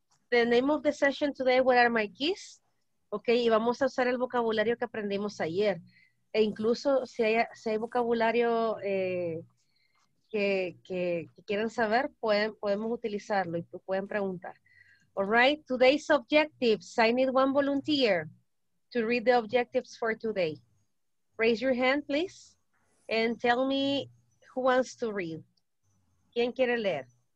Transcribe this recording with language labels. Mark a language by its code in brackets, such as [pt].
[en] The name of the session today, what are my keys? [es] Okay, y vamos a usar el vocabulario que aprendimos ayer. E incluso si hay vocabulario que quieran saber, podemos utilizarlo y pueden preguntar. [en] All right, today's objectives. I need one volunteer to read the objectives for today. Raise your hand, please, and tell me who wants to read. [es] ¿Quién quiere leer?